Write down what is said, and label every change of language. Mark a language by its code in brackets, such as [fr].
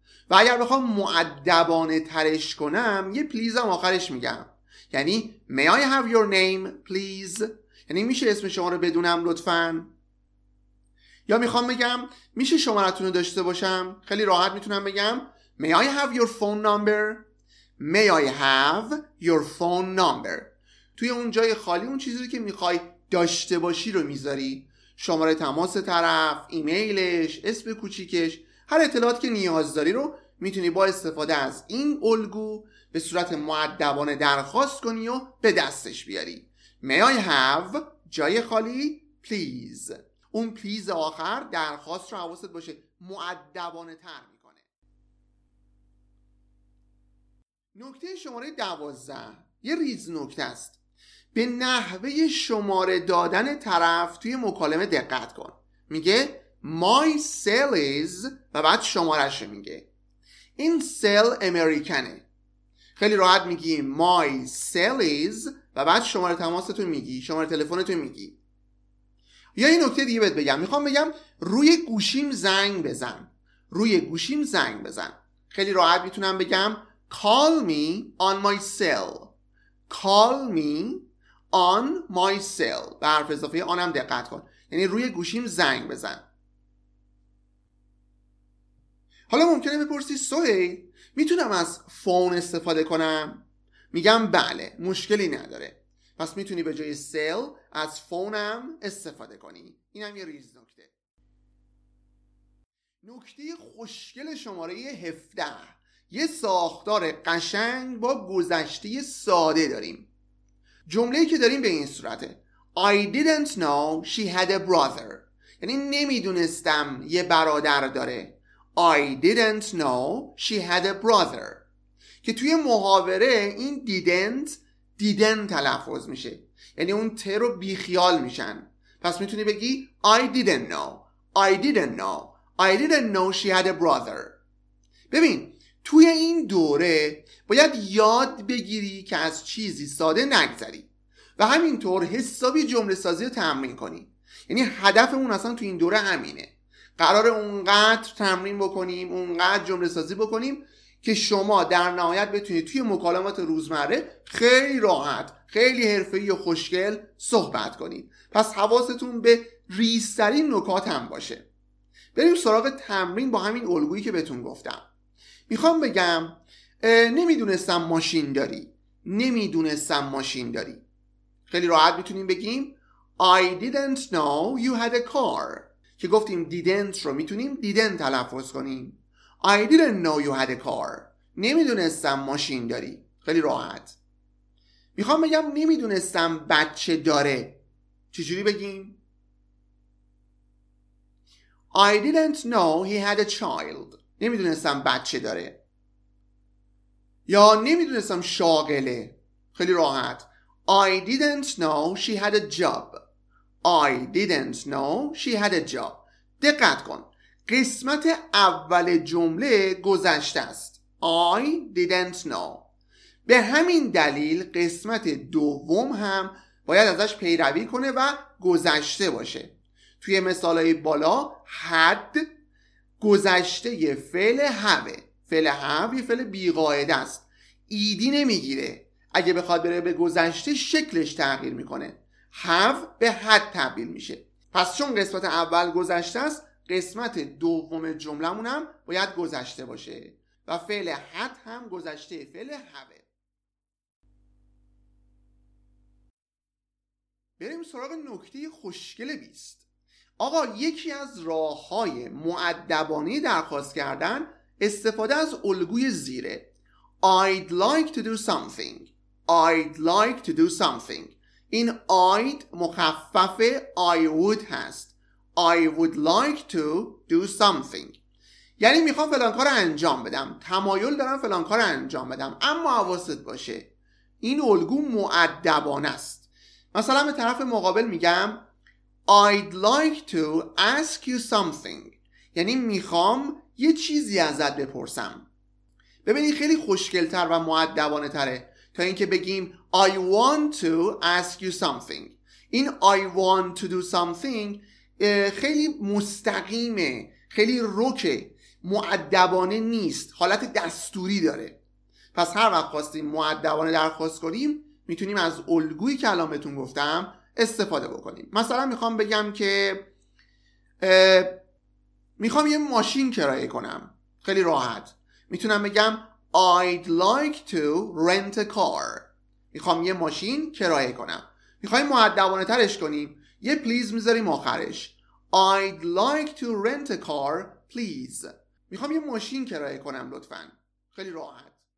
[fa] و اگر بخوام مؤدبانه ترش کنم، یه please هم آخرش میگم، یعنی [en] May I have your name please. [fa] یعنی میشه اسم شما رو بدونم لطفا؟ یا میخوام بگم میشه شمارتون رو داشته باشم، خیلی راحت میتونم بگم [en] May I have your phone number. May I have your phone number. [fa] توی اون جای خالی اون چیزی که میخوای داشته باشی رو میذاری، شماره تماس طرف، ایمیلش، اسم کوچیکش، هر اطلاعاتی که نیاز داری رو میتونی با استفاده از این الگو به صورت مؤدبانه درخواست کنی و به دستش بیاری. [en] May I have [fa] جای خالی [en] please. [fa] اون please آخر درخواست رو حواست باشه مؤدبانه تر میکنه. نکته شماره 12 یه ریز نکته است. به نحوه شماره دادن طرف توی مکالمه دقت کن. میگه [en] My cell is [fa] و بعد شمارش میگه. این cell امریکنه. خیلی راحت میگی [en] My cell is [fa] و بعد شماره تماستو میگی، شماره تلفنتو میگی. یا این نکته دیگه بهت بگم، میخوام بگم روی گوشیم زنگ بزن، روی گوشیم زنگ بزن. خیلی راحت میتونم بگم [en] Call me on my cell. Call me on my cell. [fa] به حرف اضافه آنم دقت کن، یعنی روی گوشیم زنگ بزن. حالا ممکنه بپرسی سهیل میتونم از فون استفاده کنم؟ میگم بله، مشکلی نداره. پس میتونی به جای سل از فونم استفاده کنی. اینم یه ریز نکته. نکته خوشگل شماره 17، یه ساختار قشنگ با گذشته ساده داریم. جمله‌ای که داریم به این صورته: [en] I didn't know she had a brother. [fa] یعنی نمیدونستم یه برادر داره. [en] I didn't know she had a brother. [fa] که توی محاوره این didn't تلفظ میشه، یعنی اون ت رو بی خیال میشن. پس میتونی بگی [en] I didn't know she had a brother. [fa] ببین توی این دوره باید یاد بگیری که از چیزی ساده نگذری و همینطور حسابی جمله سازی رو تمرین کنی. یعنی هدفمون اصلا توی این دوره همینه، قراره اونقدر تمرین بکنیم، اونقدر جمله سازی بکنیم که شما در نهایت بتونید توی مکالمات روزمره خیلی راحت، خیلی حرفه‌ای و خوشگل صحبت کنید. پس حواستون به ریزترین نکات هم باشه. بریم سراغ تمرین با همین الگویی که بهتون گفتم. میخوام بگم نمیدونستم ماشین داری. خیلی راحت میتونیم بگیم [en] I didn't know you had a car. [fa] که گفتیم didn't رو میتونیم didn't تلفظ کنیم. [en] I didn't know you had a car. [fa] نمیدونستم ماشین داری. خیلی راحت. میخوام بگم نمیدونستم بچه داره. چجوری بگیم؟ [en] I didn't know he had a child. [fa] نمیدونستم بچه داره. یا نمیدونستم شاغله. خیلی راحت. [en] I didn't know she had a job. I didn't know she had a job. [fa] دقت کن، قسمت اول جمله گذشته است. [en] I didn't know. [fa] به همین دلیل قسمت دوم هم باید ازش پیروی کنه و گذشته باشه. توی مثالهای بالا had گذشته یه فعل have. فعل have یه فعل بی‌قاعده است. ایدی نمیگیره. اگه بخواد بره به گذشته شکلش تغییر میکنه. have به had تبدیل میشه. پس چون قسمت اول گذشته است قسمت دوم جملمون هم باید گذشته باشه و فعل حد هم گذشته فعل هبه. بریم سراغ نکته خوشگل 20. آقا یکی از راه‌های مؤدبانه درخواست کردن استفاده از الگوی زیره. [en] I'd like to do something. I'd like to do something. [fa] این I'd مخفف [en] I would [fa] هست. [en] I would like to do something. [fa] یعنی میخوام فلان کار انجام بدم. تمایل دارم فلان کار انجام بدم. اما حواست باشه. این الگو مؤدبانه است. مثلا به طرف مقابل میگم [en] I'd like to ask you something. [fa] یعنی میخوام یه چیزی ازت بپرسم. ببینید خیلی خوشگلتر و مؤدبانه تره تا اینکه بگیم [en] I want to ask you something. [fa] این [en] I want to do something [fa] خیلی مستقیمه، خیلی روکه، مؤدبانه نیست، حالت دستوری داره. پس هر وقت خواستیم مؤدبانه درخواست کنیم میتونیم از الگویی که الان بهتون گفتم استفاده بکنیم. مثلا میخوام بگم که میخوام یه ماشین کرایه کنم. خیلی راحت میتونم بگم [en] I'd like to rent a car. [fa] میخوام یه ماشین کرایه کنم. میخوایم مؤدبانه ترش کنیم، یه پلیز میذاریم آخرش. [en] I'd like to rent a car please. [fa] میخوام یه ماشین کرایه کنم لطفا. خیلی راحت.